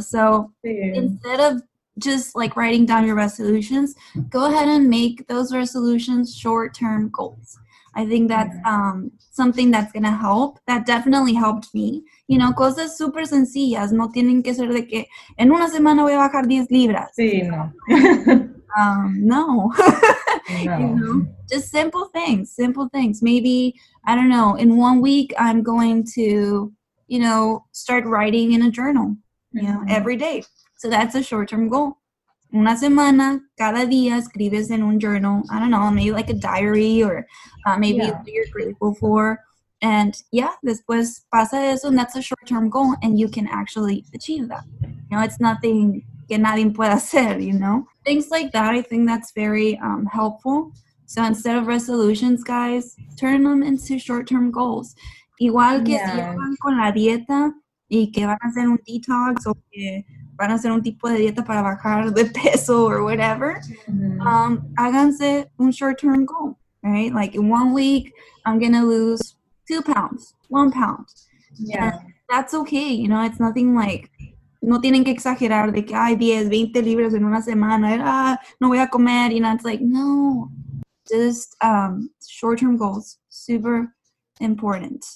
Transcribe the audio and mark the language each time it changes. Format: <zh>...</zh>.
<en>So instead of just like writing down your resolutions, go ahead and make those resolutions short-term goals. I think that's something that's going to help. That definitely helped me. You know,</en> <es>cosas super sencillas. No tienen que ser de que en una semana voy a bajar 10 libras. Sí, no. No. No.</es> <en>You know, just simple things. Simple things. Maybe, I don't know, in 1 week I'm going to, you know, start writing in a journal, you know, every day. So that's a short-term goal.</en> <es>Una semana, cada día, escribes en un journal.</es> <en>I don't know, maybe like a diary or maybe what you're grateful for. And yeah,</en> <es>después pasa eso,</es> <en>and that's a short-term goal, and you can actually achieve that. You know, it's nothing</en> <es>que nadie pueda hacer,</es> <en>you know? Things like that, I think that's very helpful. So instead of resolutions, guys, turn them into short-term goals.</en> <es>Igual que si van con la dieta y que van a hacer un detox o que van a hacer un tipo de dieta para bajar de peso</es> <en>or whatever,</en> <es>háganse un short-term goal, right?</es> <en>Like in 1 week, I'm going to lose 2 pounds, 1 pound. Yeah. And that's okay, you know, it's nothing like,</en> <es>no tienen que exagerar de que hay 10, 20 libras en una semana, no voy a comer,</es> <en>you know, it's like, no, just short-term goals, super important.</en>